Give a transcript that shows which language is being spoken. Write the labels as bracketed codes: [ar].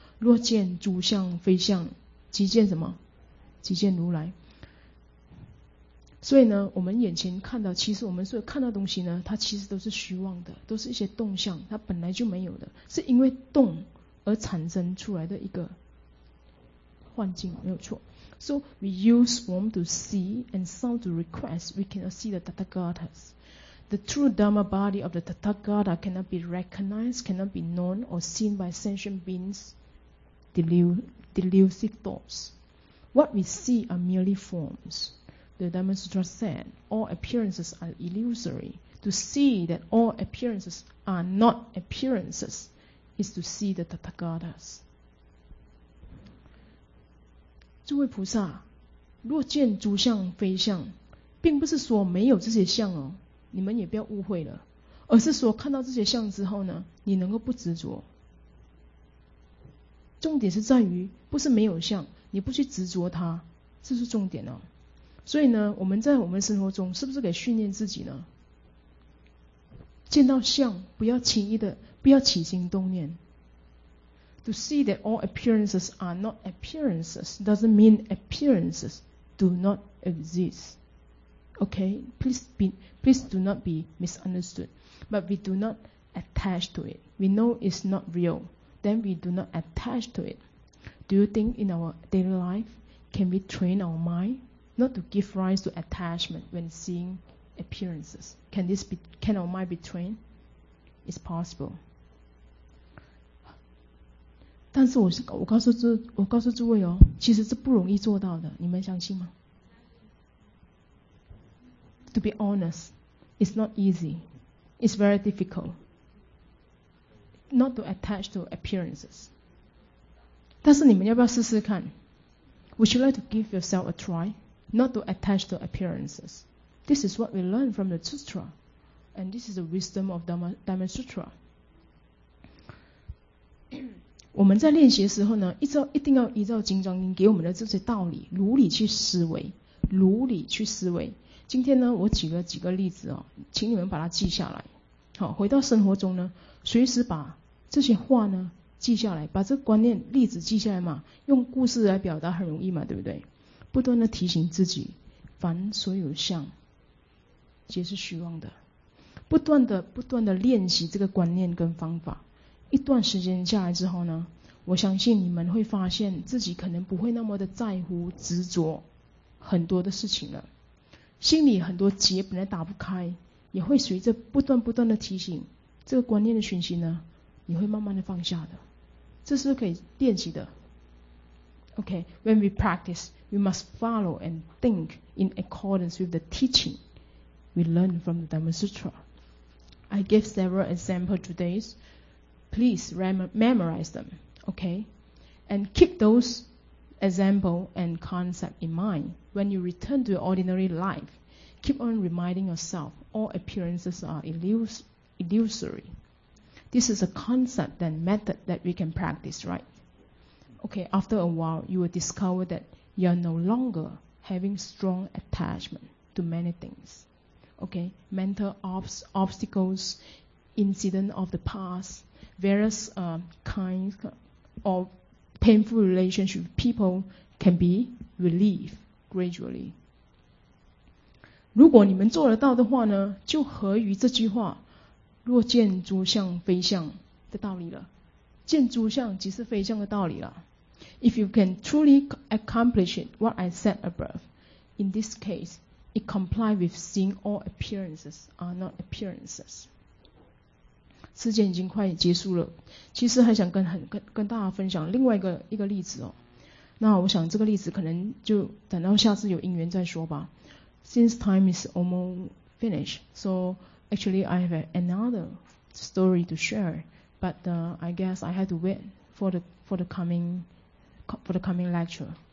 [zh] 若见诸相非相，即见什么？即见如来。所以呢，我们眼前看到，其实我们所看到的东西呢，它其实都是虚妄的，都是一些动向，它本来就没有的，是因为动而产生出来的一个幻境，没有错。 [en] So we use form to see and sound to request, we cannot see the Tathagatas. The true Dharma body of the Tathagata cannot be recognized, cannot be known or seen by sentient beings' delusive thoughts. What we see are merely forms. The Dhamma Sutra said, all appearances are illusory. To see that all appearances are not appearances is to see the Tathagatas. [zh] 诸位菩萨，若见诸相非相，并不是说没有这些相哦，你们也不要误会了，而是说看到这些相之后呢，你能够不执着。重点是在于，不是没有相，你不去执着它，这是重点哦。所以呢，我们在我们生活中是不是给训练自己呢？见到相，不要轻易的，不要起心动念。 [en] To see that all appearances are not appearances doesn't mean appearances do not exist. Okay, please do not be misunderstood. But we do not attach to it. We know it's not real. Then we do not attach to it. Do you think in our daily life, can we train our mind not to give rise to attachment when seeing appearances? Can our mind be trained? It's possible. [zh] 但是我告诉诸位哦，其实是不容易做到的，你们相信吗？ [en] To be honest, it's not easy. It's very difficult. Not to attach to appearances. [zh] 但是你们要不要试试看？ [en] Would you like to give yourself a try? Not to attach to appearances. This is what we learn from the Sutra. And this is the wisdom of Dhamma Sutra. [zh] 我们在练习的时候呢，一定要依照《金刚经》给我们的这些道理，如理去思维，如理去思维。今天呢，我举了几个例子哦，请你们把它记下来。好，回到生活中呢，随时把这些话呢记下来，把这个观念例子记下来嘛，用故事来表达很容易嘛，对不对？不断的提醒自己，凡所有相，皆是虚妄的。不断的练习这个观念跟方法。一段时间下来之后呢，我相信你们会发现自己可能不会那么的在乎执着很多的事情了，心里很多结本来打不开，也会随着不断的提醒这个观念的讯息呢，你会慢慢的放下的。这是可以练习的。 [en] OK, when we practice, we must follow and think in accordance with the teaching we learn from the Dhamma Sutra. I gave several examples todayPlease memorize them, okay? And keep those examples and concepts in mind. When you return to your ordinary life, keep on reminding yourself all appearances are illusory. This is a concept and method that we can practice, right? Okay, after a while, you will discover that you are no longer having strong attachment to many things. Okay, mental obstacles, incidents of the past,various kinds of painful relationship with people can be relieved gradually. [zh] 如果你们做得到的话呢，就合于这句话，若见诸相非相的道理了。见诸相即是非相的道理了。 [en] If you can truly accomplish it, what I said above, in this case, it complies with seeing all appearances are not appearances. [zh] 时间已经快结束了，其实还想跟大家分享另外一个例子哦。那我想这个例子可能就等到下次有因缘再说吧。 [en] Since time is almost finished, so actually I have another story to share, but I guess I have to wait for the coming lecture.